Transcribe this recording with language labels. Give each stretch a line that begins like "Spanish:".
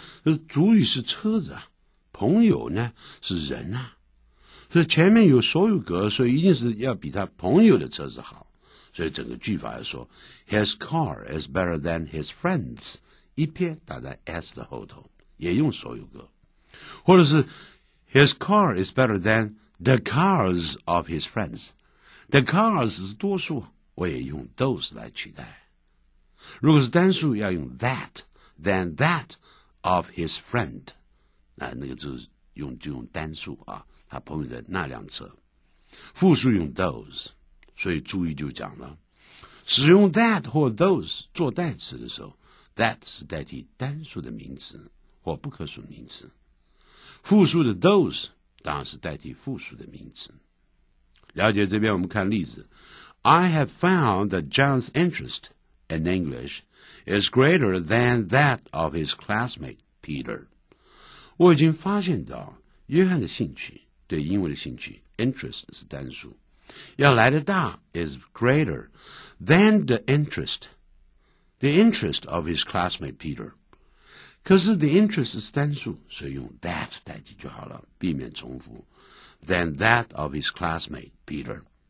Chinese: 这主语是车子啊，朋友呢是人啊，所以前面有所有格，所以一定是要比他朋友的车子好，所以整个句法来说
English: His car is better than his friends，
Chinese: 一撇打在 s 的后头，也用所有格，或者是
English: His car is better than the cars of his friends，
Chinese: 但 cars 是多数，我也用 those 来取代。如果是单数，要用
English: that, than that of his friend。
Chinese: 那个就用单数啊，他朋友的那辆车。复数用 those， 所以注意就讲了，使用 that 或 those 做代词的时候 ，that 是代替单数的名词或不可数名词，复数的 those 当然是代替复数的名词。了解这边，我们看例子
English: ：I have found that John's interest in English is greater than that of his classmate Peter。
Chinese: 我已经发现到约翰的兴趣对英文的兴趣 interest 是单数要来的大
English: is greater than the interest of his classmate Peter
Chinese: 可是 the interest 是单数所以用 that 代替就好了避免重复
English: than that of his classmate Peter